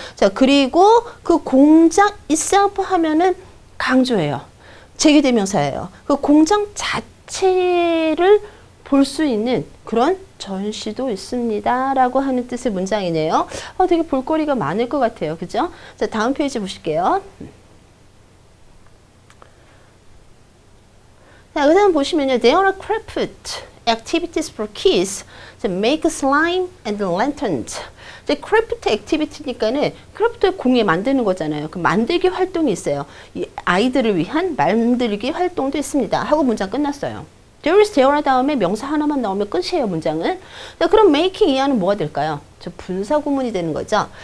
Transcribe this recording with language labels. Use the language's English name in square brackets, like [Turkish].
[Korean] 자, 그리고 그 공장 itself 하면은 강조해요. 재기대명사예요. 그 공장 자체를 볼 수 있는 그런 전시도 있습니다. 라고 하는 뜻의 문장이네요. 되게 볼거리가 많을 것 같아요. 그죠? 자, 다음 페이지 보실게요. 자, 그 다음 보시면요. [English] There are craft activities for kids to make slime and lanterns. [Korean] 이제 크래프트 액티비티니까는 크래프트 공예 만드는 거잖아요. 그 만들기 활동이 있어요. 이 아이들을 위한 만들기 활동도 있습니다. 하고 문장 끝났어요. [English] There is there [Korean] 다음에 명사 하나만 나오면 끝이에요, 문장은. 자, 그럼 making 이하는 뭐가 될까요? 저 분사 구문이 되는 거죠.